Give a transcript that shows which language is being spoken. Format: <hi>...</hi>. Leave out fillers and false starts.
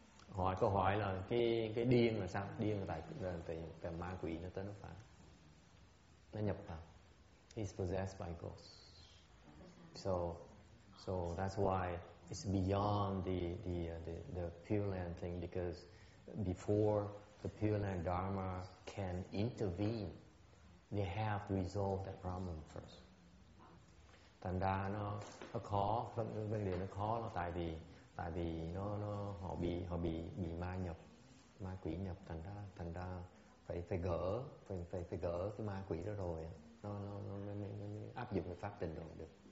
<vi>Hỏi câu hỏi là cái điên là sao? Điên là tại ma quỷ nó tới nó phá. Nó nhập vào.</vi> <en>He's possessed by ghosts. So that's why it's beyond the Pure Land thing, because before the Pure Land Dharma can intervene, they have to resolve that problem first.</en> <vi>Thành ra nó khó, vấn đề nó khó là tại vì nó họ bị ma nhập, ma quỷ nhập, thành ra phải gỡ cái ma quỷ đó rồi nó mới áp dụng cái pháp tịnh độ được.</vi>